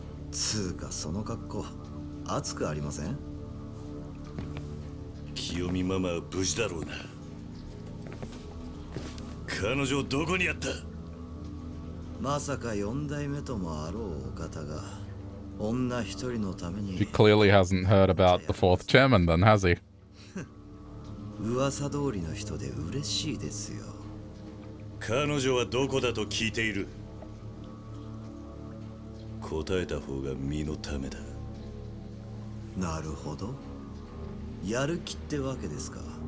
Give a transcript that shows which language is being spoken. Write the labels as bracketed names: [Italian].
[Japanese] つうかその格好熱くありません？清美ママは無事だろうな。彼女どこにあった？まさか四代目ともあろうお方が女一人のために。 [English] He clearly hasn't heard about the fourth chairman then, has he? [Japanese] 噂通りの人で嬉しいですよ。彼女はどこだと聞いている。答えた方が身のためだ。なるほど、やる気ってわけですか。